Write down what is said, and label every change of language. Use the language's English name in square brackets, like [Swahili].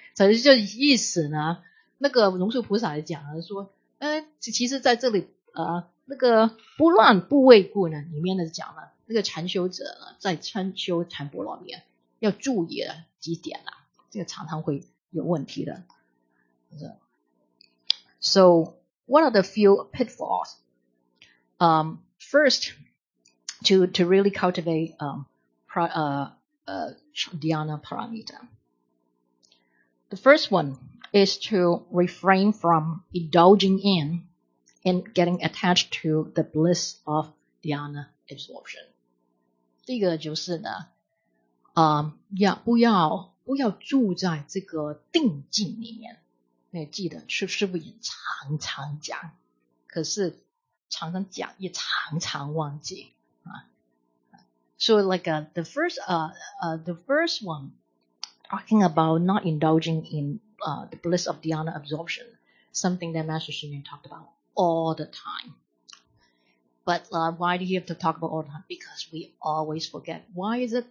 [Chinese] 反正就意思呢，那个龙树菩萨也讲了说，其实在这里那个不乱不畏故呢，里面的讲了，那个禅修者呢，在禅修禅波罗蜜要注意的几点啊，这个常常会有问题的。 [English] So, what are the few pitfalls? First, to really cultivate dhyana paramita. The first one is to refrain from indulging in and getting attached to the bliss of dhyana absorption. [Chinese] 这个就是呢，不要住在这个定境里面。你记得师父也常常讲，可是常常讲也常常忘记啊。 [English] So like the first one talking about not indulging in the bliss of dhyana absorption, something that Master Shi Ming talked about all the time. But why do you have to talk about all the time? Because we always forget. Why is it?